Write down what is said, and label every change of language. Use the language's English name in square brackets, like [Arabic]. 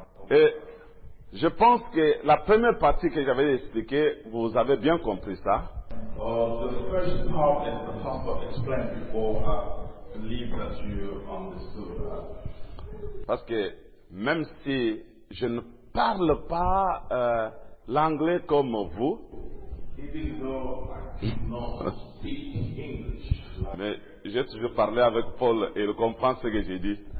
[French] Et je pense que la première partie que j'avais expliquée, vous avez bien compris ça. [English] The first part that the pastor explained before, I believe that you understood that. [French] Parce que même si je ne parle pas l'anglais comme vous, [English] even though I cannot speak English, [French] mais j'ai toujours parlé avec Paul et il comprend ce que j'ai dit.